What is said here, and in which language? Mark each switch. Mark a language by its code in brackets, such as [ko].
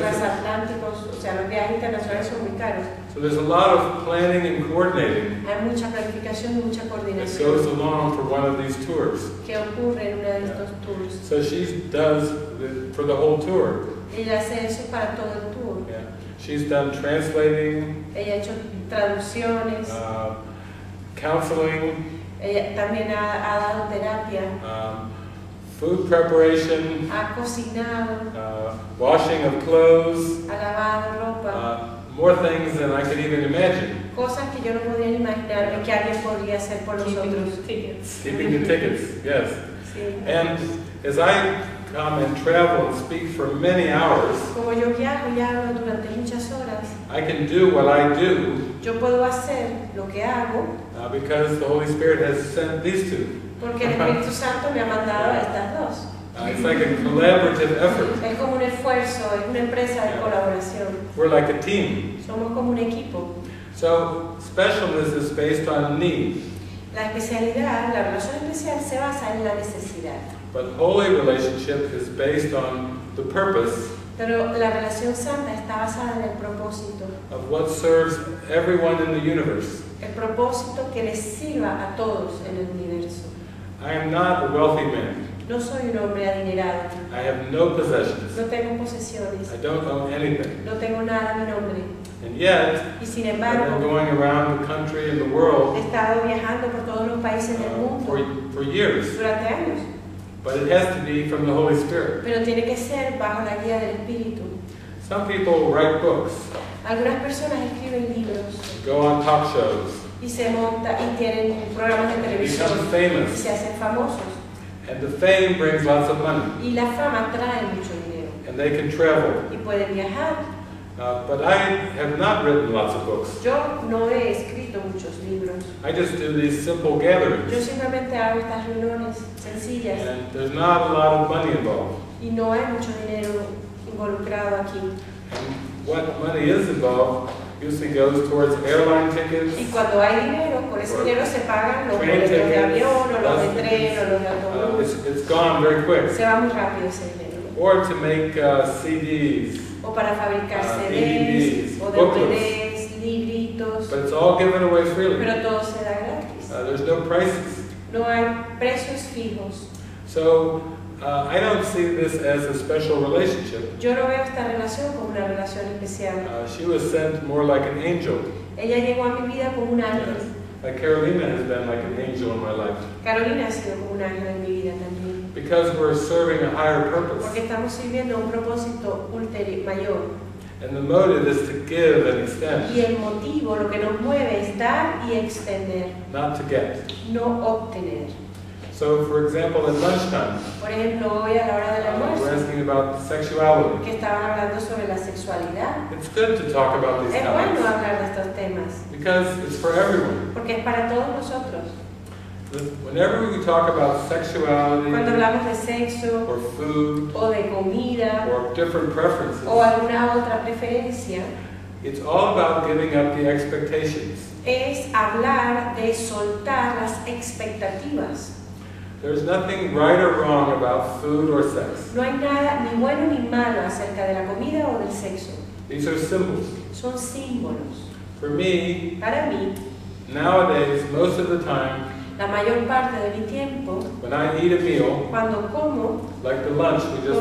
[es] Los transatlánticos, o sea, los viajes internacionales son muy caros. [en] So there's a lot of planning and coordinating, [es] hay mucha planificación y mucha coordinación, [en] that goes along for one of these tours, [es] que ocurre en una de estos tours. [en] So she does for the whole tour. [es] Ella hace eso para todo el tour. [en] She's done translating. [es] Ella ha hecho traducciones. [en] Counseling. [es] Ella también ha dado terapia. [en] Food preparation. [es] Ha cocinado. [en] Washing of clothes. [es] Ha lavado ropa. [en] More things than I could even imagine. [es] Cosas que yo no podía imaginarme que alguien podría hacer por nosotros. [en] Keeping the tickets. Yes. [es] Sí. [en] And as I come and travel and speak for many hours, [es] como yo viajo y hablo durante muchas horas, [en] I can do what I do, [es] yo puedo hacer lo que hago, [en] because the Holy Spirit has sent these two. [es] Porque el Espíritu Santo me ha mandado a estas dos. [en] It's like a collaborative effort. [es] Es como un esfuerzo, es una empresa de colaboración. [en] We're like a team. [es] Somos como un equipo. [en] So specialness is based on need. [es] La especialidad, la relación especial se basa en la necesidad. [en] But holy relationship is based on the purpose. [es] Pero la relación santa está basada en el propósito. [en] Of what serves everyone in the universe. [es] El propósito que les sirva a todos en el universo. [en] I am not a wealthy man. [es] No soy un hombre adinerado. [en] I have no possessions. [es] No tengo posesiones. [en] I don't own anything. [es] No tengo nada a mi nombre. [en] And yet, [es] y sin embargo, [en] I've been going around the country and the world, [es] he estado viajando por todos los países del mundo, [en] for years. [es] Durante años. [en] But it has to be from the Holy Spirit. [es] Pero tiene que ser bajo la guía del Espíritu. [en] Some people write books. [es] Algunas personas escriben libros. [en] Go on talk shows. [es] Y se monta y tienen programas de televisión. [en] Become famous. [es] Y se hacen famosos. [en] And the fame brings lots of money. [es] Y la fama trae mucho dinero. [en] And they can travel. [es] Y pueden viajar. [en] But I have not written lots of books. [es] Yo no he escrito muchos libros. [en] I just do these simple gatherings. [es] Yo simplemente hago estas reuniones sencillas. [en] And there's not a lot of money involved. [es] Y no hay mucho dinero involucrado aquí. [en] And what money is involved usually goes towards airline tickets. [es] Y cuando hay dinero, por ese dinero se pagan los boletos de avión, o los de tren, o los de autobús. [en] It's gone very quick. [es] Se va muy rápido ese dinero. [en] Or to make CDs. [es] O para fabricar CDs, [en] DVDs, [es] o DVDs, libritos. [en] But it's all given away freely. [es] Pero todo se da gratis. [en] There's no prices. [es] No hay precios fijos. [en] So, I don't see this as a special relationship. [es] Yo no veo esta relación como una relación especial. [en] She was sent more like an angel. [es] Ella llegó a mi vida como un ángel. [en] Carolina has been like an angel in my life. [es] Carolina ha sido como un ángel en mi vida también. [en] Because we're serving a higher purpose. [es] Porque estamos sirviendo un propósito ulterior, mayor. [en] And the motive is to give and extend. [es] Y el motivo, lo que nos mueve, es dar y extender. [en] Not to get. [es] No obtener. [en] So, for example, at lunchtime. [es] Por ejemplo, hoy a la hora del almuerzo. [en] We're asking about sexuality. [es] Que estaban hablando sobre la sexualidad. [en] It's good to talk about these topics. [es] Es bueno hablar de estos temas. [en] Because it's for everyone. [es] Porque es para todos nosotros. [en] Whenever we talk about sexuality, [es] cuando hablamos de sexo, [en] or food, [es] o de comida, [en] or different preferences, [es] o alguna otra preferencia, [en] it's all about giving up the expectations. [es] Es hablar de soltar las expectativas. [en] There's nothing right or wrong about food or sex. [es] No hay nada ni bueno ni malo acerca de la comida o del sexo. [en] These are symbols. [es] Son símbolos. [en] For me, [es] para mí, [en] nowadays, most of the time, [es] la mayor parte de mi tiempo, [en] when I eat a meal, [es] cuando como, [en] like the lunch we just